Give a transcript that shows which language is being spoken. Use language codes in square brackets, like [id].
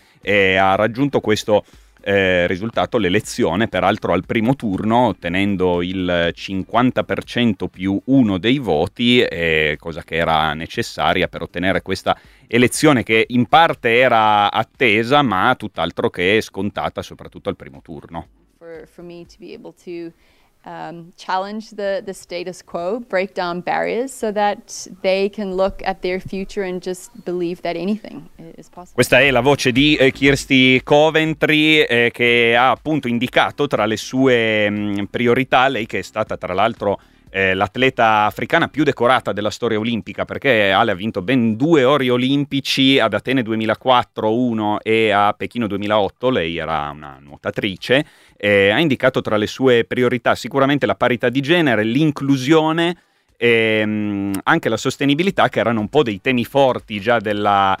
[it] E ha raggiunto questo risultato, l'elezione, peraltro al primo turno, ottenendo il 50% più uno dei voti, cosa che era necessaria per ottenere questa elezione, che in parte era attesa, ma tutt'altro che scontata, soprattutto al primo turno. [en] For me to be able to challenge the status quo, break down barriers so that they can look at their future and just believe that anything is possible. [it] Questa è la voce di Kirsty Coventry, che ha appunto indicato tra le sue priorità, lei che è stata tra l'altro l'atleta africana più decorata della storia olimpica, perché Ale ha vinto ben 2 ori olimpici, ad Atene 2004 1 e a Pechino 2008, lei era una nuotatrice, ha indicato tra le sue priorità sicuramente la parità di genere, l'inclusione e anche la sostenibilità, che erano un po' dei temi forti già della,